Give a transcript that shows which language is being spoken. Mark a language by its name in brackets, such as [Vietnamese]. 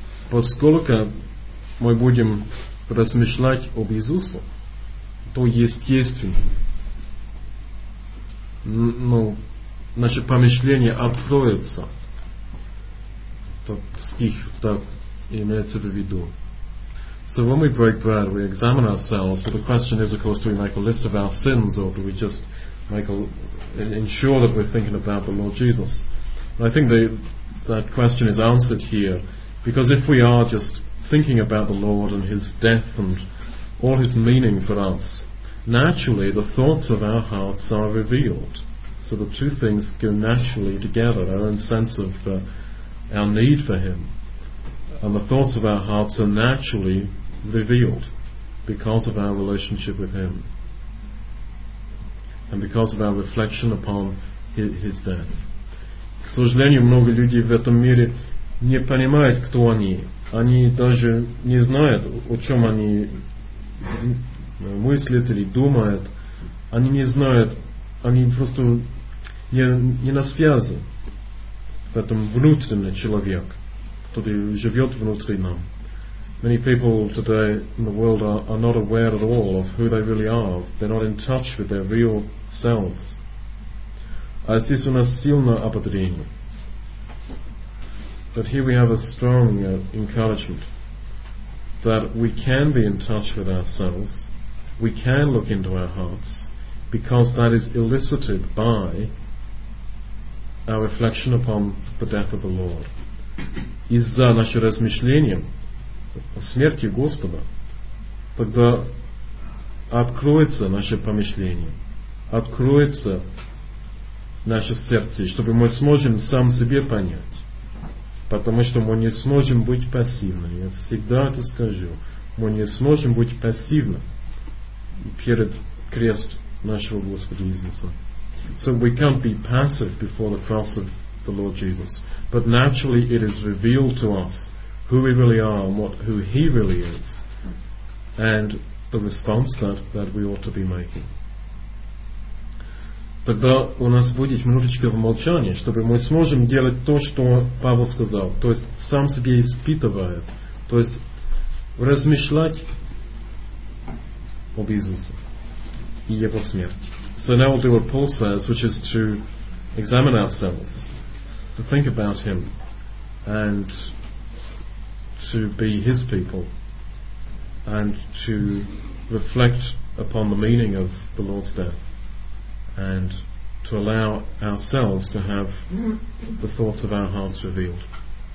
[Russian] Поскольку мы будем размышлять об Иисусе, то естественно, наше помышление откроется. Тот стих так имеется в виду. [English] So when we break bread, we examine ourselves, but the question is, of course, do we make a list of our sins, or do we just ensure that we're thinking about the Lord Jesus? And I think that question is answered here, because if we are just thinking about the Lord and His death and all His meaning for us, naturally the thoughts of our hearts are revealed. So the two things go naturally together, our own sense of our need for Him. And the thoughts of our hearts are naturally revealed because of our relationship with Him and because of our reflection upon His death. [Russian] К сожалению, много людей в этом мире не понимают, кто они. Они даже не знают, о чем они мыслят или думают. Они не знают, они просто не на связи в этом внутреннем человеке. [English] Many people today in the world are not aware at all of who they really are. They're not in touch with their real selves. [Russian] А здесь у нас сильное ободрение. [English] But here we have a strong encouragement that we can be in touch with ourselves, we can look into our hearts, because that is elicited by our reflection upon the death of the Lord. [Russian] Из-за нашего размышления о смерти Господа, тогда откроется наше помышление, откроется наше сердце, чтобы мы сможем сам себе понять. Потому что мы не сможем быть пассивными. Я всегда это скажу. Мы не сможем быть пассивными перед крест нашего Господа Иисуса. [English] So we can't be passive before the cross of the Lord Jesus. But naturally it is revealed to us who we really are and who He really is and the response that we ought to be making. [Russian] Тогда у нас будет минуточка в молчании, чтобы мы сможем делать то, что Павел сказал, то есть сам себе испытывает, то есть размышлять об Иисусе и Его смерти. [English] So now we'll do what Paul says, which is to examine ourselves, to think about Him and to be His people and to reflect upon the meaning of the Lord's death and to allow ourselves to have the thoughts of our hearts revealed.